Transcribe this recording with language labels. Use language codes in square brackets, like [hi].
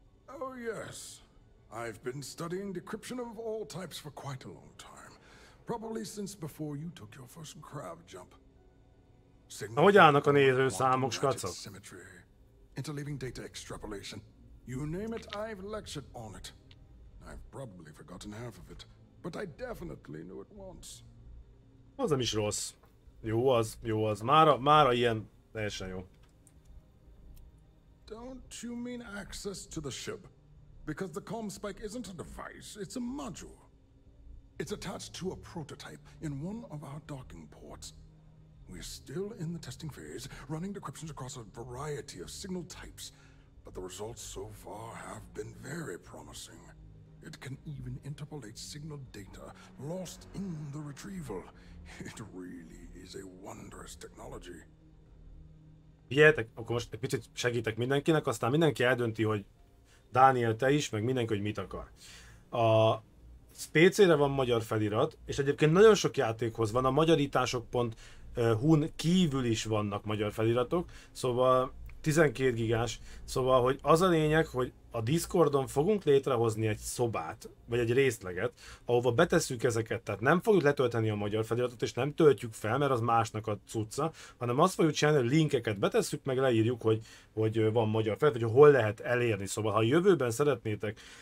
[en] Oh yes, I've been studying decryption of all types for quite a long time. Probably since before you took your first crab jump. [hu] Na, hogy állnak a nézőszámok, skacok? [en] Interleaving data extrapolation. You name it, I've lectured on it. I've probably forgotten half of it, but I definitely knew it once. [hu] Az nem is rossz. Jó az. Mára ilyen teljesen jó. [en] Don't you mean access to the ship? Because the comm spike isn't a device, it's a module. It's attached to a prototype in one of our docking ports. We're still in the testing phase, running decryptions across a variety of signal types, but the results so far have been very promising. It can even interpolate signal data lost in the retrieval. It really is a wondrous technology. [hu] Figyeljetek, akkor most egy picit segítek mindenkinek, aztán mindenki eldönti, hogy Dániel, te is, meg mindenki, hogy mit akar. A PC-re van magyar felirat, és egyébként nagyon sok játékhoz van a magyarítások pont Hun kívül is vannak magyar feliratok, szóval 12 gigás, szóval hogy az a lényeg, hogy a Discordon fogunk létrehozni egy szobát, vagy egy részleget, ahova betesszük ezeket, tehát nem fogjuk letölteni a magyar feliratot, és nem töltjük fel, mert az másnak a cucca, hanem azt fogjuk csinálni, hogy linkeket betesszük, meg leírjuk, hogy van magyar felirat, hogy hol lehet elérni, szóval ha a jövőben szeretnétek